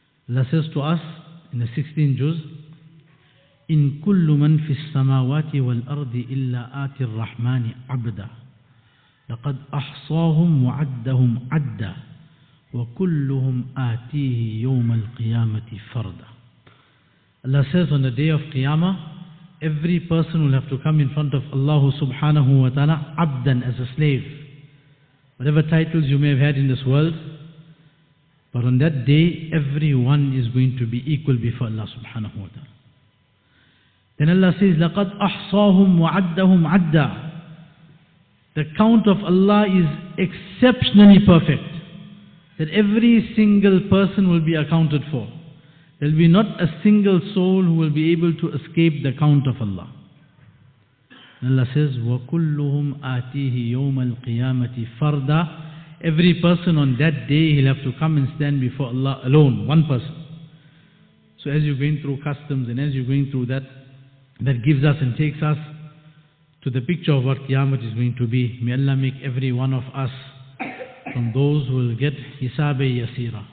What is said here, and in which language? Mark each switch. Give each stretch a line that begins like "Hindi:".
English: Allah says to us in the 16th juz,
Arabic: in kullu man fi samawati wal ardi illa ati ar-rahmani abda laqad ahsahum wa'addahum adda وَكُلُّهُمْ آتِيهِ يَوْمَ الْقِيَامَةِ فَرْدًا.
English: Allah says on the day of Qiyamah, every person will have to come in front of Allah subhanahu wa ta'ala abdan, as a slave. Whatever titles you may have had in this world, but on that day, everyone is going to be equal before Allah subhanahu wa ta'ala.
Arabic: Then Allah says, لَقَدْ أَحْصَاهُمْ وَعَدَّهُمْ عَدَّا.
English: The count of Allah is exceptionally perfect. That every single person will be accounted for. There will be not a single soul who will be able to escape the count of Allah.
Arabic: And Allah says, وَكُلُّهُمْ آتِيهِ يَوْمَ الْقِيَامَةِ فَرْدًا.
English: Every person on that day, he'll have to come and stand before Allah alone, one person. So as you're going through customs and as you're going through that, that gives us and takes us to the picture of what Qiyamah is going to be. May Allah make every one of us from those who will get hisabi yasira.